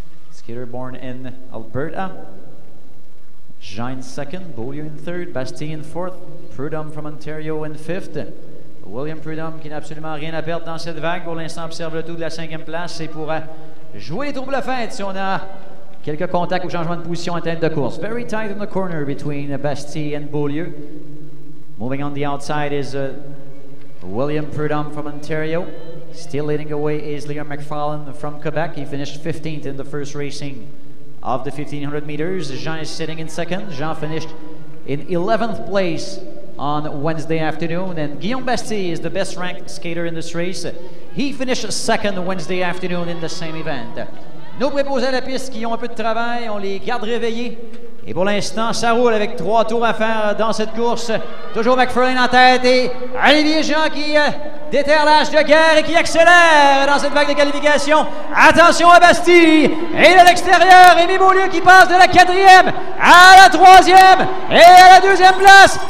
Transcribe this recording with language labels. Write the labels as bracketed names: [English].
[English] Skater born in Alberta. Jean in second, Beaulieu in third, Bastille in fourth, Prudhomme from Ontario in fifth. [French] William Prudhomme qui n'a absolument rien à perdre dans cette vague. Pour l'instant, observe le tout de la 5e place et pourra jouer les troubles fêtes si on a quelques contacts ou changements de position en tête de course. [English] Very tight in the corner between Bastille and Beaulieu. Moving on the outside is William Prudhomme from Ontario. Still leading away is Liam McFarlane from Quebec. He finished 15th in the first racing of the 1500 meters. Jean is sitting in second. Jean finished in 11th place on Wednesday afternoon. And Guillaume Bastille is the best ranked skater in this race. He finished second Wednesday afternoon in the same event. [French] Nos préposés à la piste qui ont un peu de travail, on les garde réveillés. Et pour l'instant, ça roule avec trois tours à faire dans cette course. Toujours McFarlane en tête et Olivier Jean qui déterre l'âge de guerre et qui accélère dans cette vague de qualification. Attention à Bastille et de l'extérieur, Rémi Beaulieu qui passe de la quatrième à la troisième et à la deuxième place.